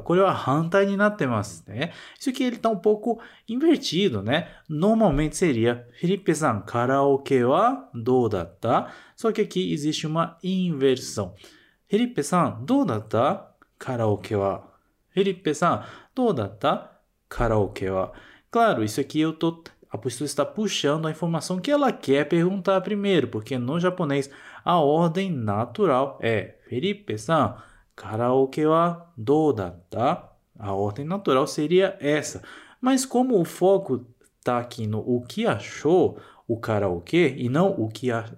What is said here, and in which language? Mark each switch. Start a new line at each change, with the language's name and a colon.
Japanese: これは反対になってますね。
Portuguese: Isso aqui ele tá um pouco invertido, né? Normalmente seria
Japanese: Felipe さん、カラオケはどうだった？
Portuguese: Só que aqui existe uma inversão.
Japanese: Felipe さん、どうだった？カラオケは。Felipe さん、どうだった？カラオケは。
Portuguese: Claro, isso aqui eu tô... A pessoa está puxando a informação que ela quer perguntar primeiro, porque no japonês a ordem natural é
Japanese: Felipe-san, karaoke wa dou datta?
Portuguese: A ordem natural seria essa. Mas como o foco está aqui no o que achou o karaoke e não o que achou...